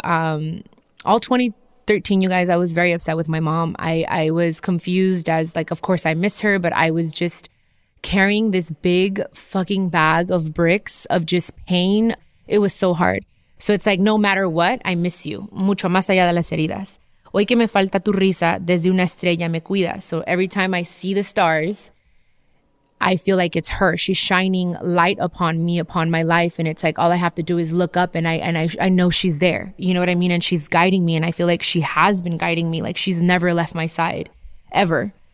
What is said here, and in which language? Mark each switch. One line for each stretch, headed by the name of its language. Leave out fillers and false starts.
English: All 2013, you guys, I was very upset with my mom. I was confused as, like, of course I miss her, but I was just carrying this big fucking bag of bricks of just pain. It was so hard. So it's like, no matter what, I miss you.
Spanish: Mucho más allá de las heridas. Hoy que me falta tu risa, desde una estrella me cuida.
English: So every time I see the stars, I feel like it's her. She's shining light upon me, upon my life. And it's like, all I have to do is look up and I know she's there. You know what I mean? And she's guiding me. And I feel like she has been guiding me. Like she's never left my side, ever.